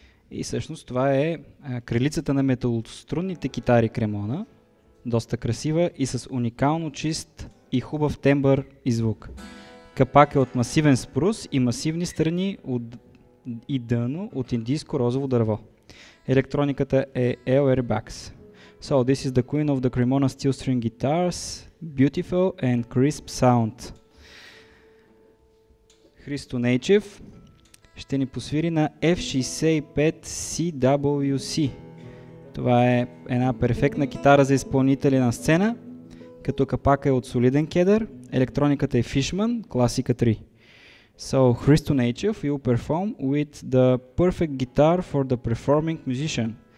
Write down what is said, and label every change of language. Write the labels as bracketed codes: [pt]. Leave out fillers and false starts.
[bg] И всъщност това е крилицата на металострунните китари Кремона. Доста красива и с уникално чист и хубав тембър и звук. Капак е от масивен спрус и масивни страни от, и дъно от индийско розово дърво. Електрониката е L-Airbags. [en] So, this is the queen of the Cremona steel string guitars. Beautiful and crisp sound. [bg] Христо Нейчев ще ни посвири на F65CWC. Това е една перфектна китара за изпълнители на сцена, като капака е от солиден кедър, електрониката е Fishman, класика 3. [en] So, Христо Нейчев will perform with the perfect guitar for the performing musician.